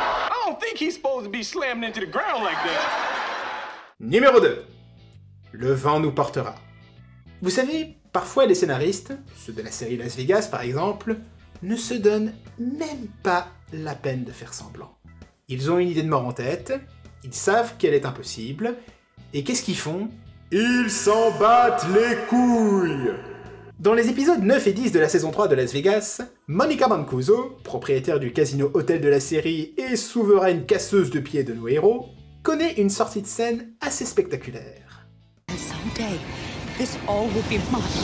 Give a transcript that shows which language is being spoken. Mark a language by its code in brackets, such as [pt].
[en] I don't think he's supposed to be slammed into the ground like that. [fr] Numéro 2. Le vent nous portera. Vous savez, parfois les scénaristes, ceux de la série Las Vegas par exemple, ne se donnent même pas la peine de faire semblant. Ils ont une idée de mort en tête, ils savent qu'elle est impossible, et qu'est-ce qu'ils font? Ils s'en battent les couilles! Dans les épisodes 9 et 10 de la saison 3 de Las Vegas, Monica Mancuso, propriétaire du casino hôtel de la série et souveraine casseuse de pieds de nos héros, connaît une sortie de scène assez spectaculaire. [en] And someday, this all will be mine.